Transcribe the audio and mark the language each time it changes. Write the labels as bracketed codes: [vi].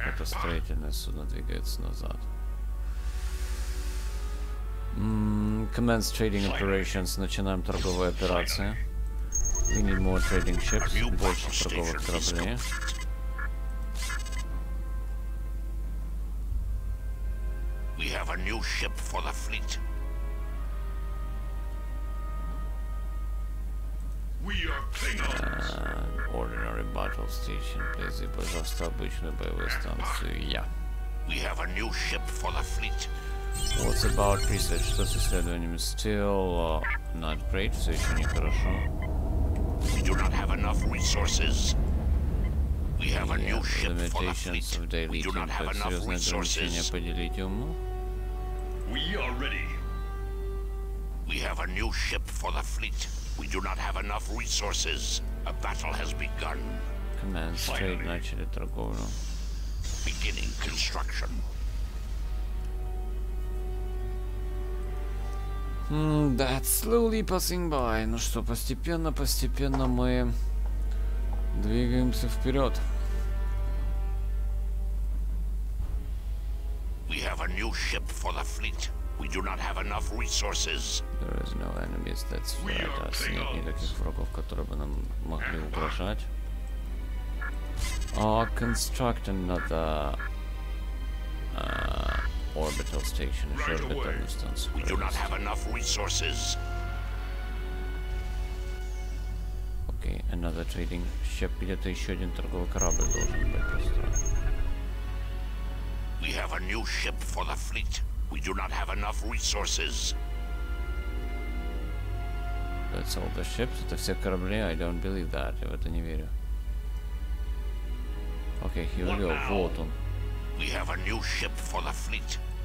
[ru] Это строительное судно двигается назад. [en] Commence trading operations. [ru] Начинаем торговые операции. [en] We need more trading ships. [ru] Больше торговых кораблей. [en] We have a new ship for the fleet. And ordinary battle station, please. [ru] Пожалуйста, обычную боевую станцию. [en] Yeah. We have a new ship for the fleet. What's about research? [ru] Что с исследованиями? [en] Still not great. [ru] Все еще не хорошо. [en] We do not have enough resources. We have a new ship for the fleet. Limitations of dilithium. We do not have enough resources. We are ready. We have a new ship for the fleet. We do not have enough resources. A battle has begun. Commence trade, [ru] начали торговлю. [en] Beginning construction. That's slowly passing by. [ru] Ну что, постепенно мы двигаемся вперед. [en] We have a new ship for the fleet. We do not have enough resources. There is no enemies that's threat us. [ru] Нет никаких врагов, которые бы нам могли угрожать. [en] Construct another orbital station. Right away. We do not have enough resources. Okay, another trading ship. [ru] Где-то еще один торговый корабль должен быть построен. [en] We have a new ship for the fleet. We do not have enough resources. That's all the ships? [ru] Это все корабли? [en] I don't believe that. [ru] Я в это не верю. [en] Okay, here we go. [ru] Вот он. [en] We have a new ship for the fleet.